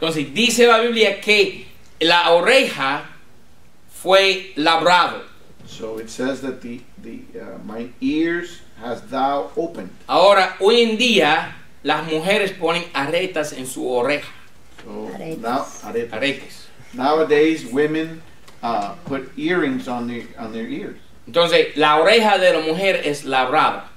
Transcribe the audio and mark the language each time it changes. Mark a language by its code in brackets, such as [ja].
[es] Entonces dice la Biblia que la oreja fue labrado. [en] So it says that my ears has thou opened. [es] Ahora hoy en día las mujeres ponen aretas en su oreja. [en] So aretas. Now, aretas. [es] Aretas. [en] Nowadays women put earrings on their ears. [es] Entonces la oreja de la mujer es labrada.